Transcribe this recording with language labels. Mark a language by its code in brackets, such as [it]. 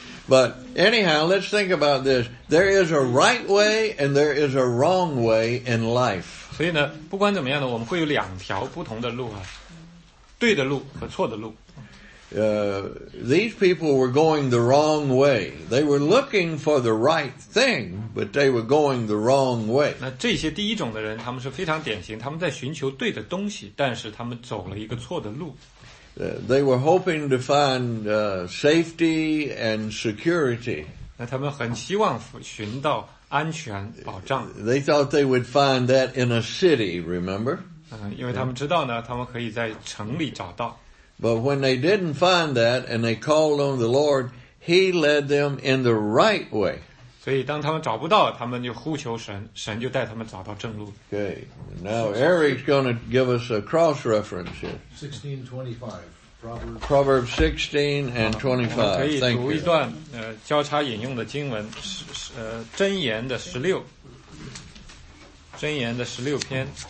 [en] But anyhow, let's think about this. There is a right way and there is a wrong way in life. [zh] 所以呢，不管怎么样呢，我们会有两条不同的路啊，对的路和错的路。 [en] These people were going the wrong way. They were looking for the right thing, but they were going the wrong way. [zh] 那这些第一种的人，他们是非常典型，他们在寻求对的东西，但是他们走了一个错的路。 [en] They were hoping to find safety and security. [zh] 那他们很希望寻到安全保障。 [en] They thought they would find that in a city, remember? [zh] 因为他们知道呢，他们可以在城里找到。 [en] But when they didn't find that and they called on the Lord, He led them in the right way. [zh] 所以当他们找不到，他们就呼求神，神就带他们找到正路。 [en] Okay, now Eric's going to give us a cross reference here. 16:25, Proverbs 16:25. [zh] 我们可以读一段交叉引用的经文，箴言的十六，箴言的十六篇。